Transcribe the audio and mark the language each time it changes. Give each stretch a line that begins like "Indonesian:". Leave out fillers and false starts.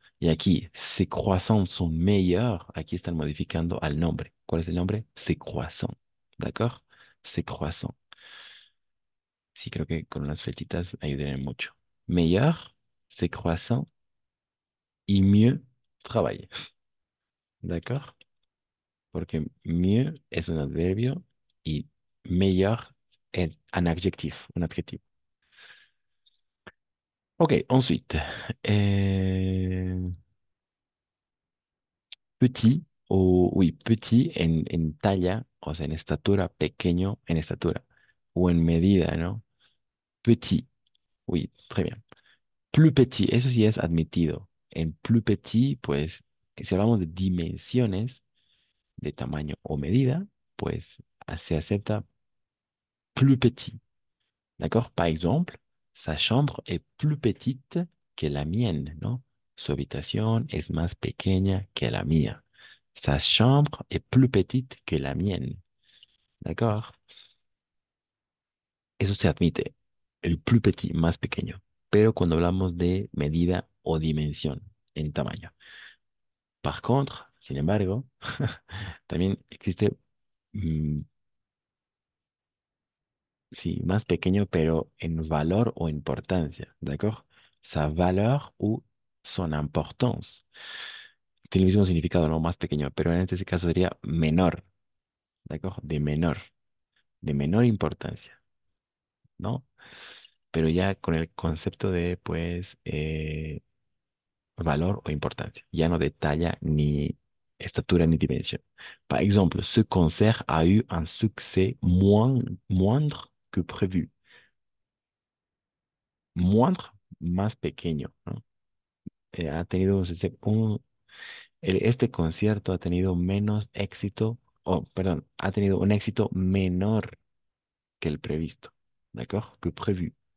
Spanish: Y aquí,
French: ses croissants sont meilleurs.
Spanish: Aquí están modificando al nombre. ¿Cuál es el nombre?
French: Ses croissants. ¿D'accord? Ses croissants.
Spanish: Sí, creo que con unas flechitas ayudarían mucho.
French: Meilleur, c'est croissant, y mieux travailler. D'accord?
Spanish: Porque mieux es un adverbio y meilleur es
French: un adjectif, un adjectif. Ok, ensuite.
Spanish: Petit, o,
French: oui,
Spanish: petit en talla, o sea, en estatura, pequeño en estatura, o en medida, ¿no?
French: Petit, oui, très bien. Plus petit,
Spanish: eso sí es admitido. En plus petit, pues, si hablamos de dimensiones, de tamaño o medida, pues se acepta plus petit.
French: ¿D'accord? Par exemple, sa chambre est plus petite que la mienne, ¿no?
Spanish: Su habitación es más pequeña que la mía.
French: Sa chambre est plus petite que la mienne. ¿D'accord?
Spanish: Eso se admite, el plus petit, más pequeño. Pero cuando hablamos de medida o dimensión en tamaño.
French: Par contre,
Spanish: sin embargo, también existe, sí, más pequeño, pero en valor o importancia, ¿d'accord?
French: Sa valeur ou son importance.
Spanish: Tiene el mismo significado, ¿no? Más pequeño, pero en este caso sería menor, ¿d'accord? De menor importancia, ¿no? Pero ya con el concepto de, pues, valor o importancia. Ya no detalla ni estatura ni dimensión.
French: Par exemple, ce concert a eu un succès moindre que prévu.
Spanish: Moindre, más pequeño, ¿no? Ha tenido este concierto ha tenido menos éxito, perdón, ha tenido un éxito menor que el previsto.
French: ¿D'accord? Que prévu.